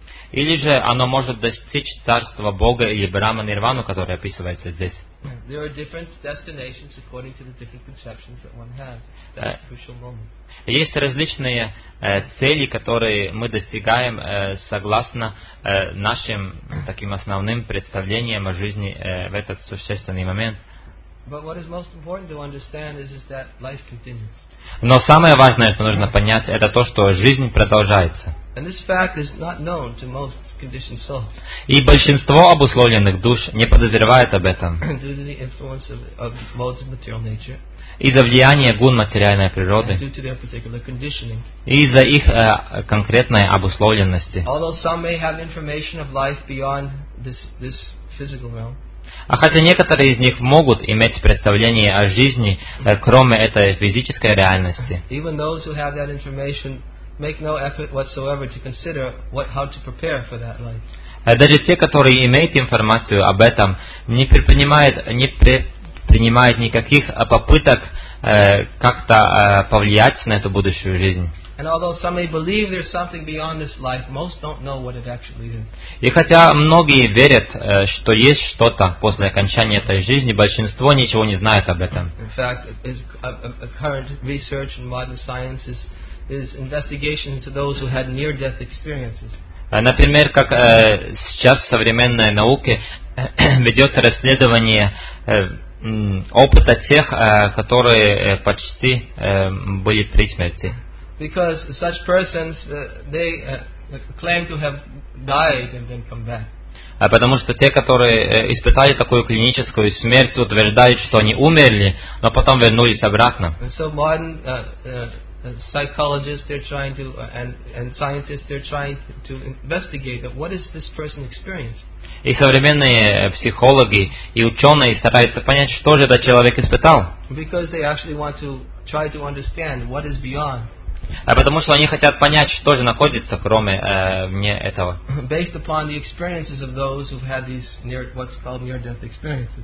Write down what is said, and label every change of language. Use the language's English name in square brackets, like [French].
[Russian] Или же оно может достичь царства Бога или Брахма-нирвану, которое описывается здесь. [English] There are different destinations according to the different conceptions that one has. That's the crucial moment. [Russian] Есть различные цели, которые мы достигаем согласно нашим таким основным представлениям о жизни в этот существенный момент. [English] But what is most important to understand is that life continues. [Russian] Но самое важное, что нужно понять, это то, что жизнь продолжается. [English] And this fact is not known to most conditioned souls. [Russian] И большинство обусловленных душ не подозревает об этом. [English] Due to the influence of modes of material nature. [Russian] Из-за влияния гун материальной природы. [English] Due to their particular conditioning. [Russian] Из-за их конкретной обусловленности. [English] Although some may have information of life beyond this physical realm. [Russian] А хотя некоторые из них могут иметь представление о жизни, кроме этой физической реальности. [English] Even those who have that information make no effort whatsoever to consider how to prepare for that life. [Russian] Даже те, которые имеют информацию об этом, не предпринимают никаких попыток как-то повлиять на эту будущую жизнь. [English] And although some may believe there's something beyond this life, most don't know what it actually is. [Russian] И хотя многие верят, что есть что-то после окончания этой жизни, большинство ничего не знает об этом. [English] In fact, current research in modern science is investigation into those who had near-death experiences. [Russian] Например, как сейчас в современной науке ведется расследование опыта тех, которые почти были при смерти. [English] Because such persons, they claim to have died and then come back. [Russian] Потому что те, которые испытали такую клиническую смерть, утверждают, что они умерли, но потом вернулись обратно. [English] And so modern psychologists, they're trying to, and scientists, they're trying to investigate what is this person's experience. [Russian] И современные психологи и ученые стараются понять, что же этот человек испытал. [English] Because they actually want to try to understand what is beyond. [Russian] А потому что они хотят понять, что же находится, кроме вне этого. [English] Based upon the experiences of those who've had these near, what's called near-death experiences.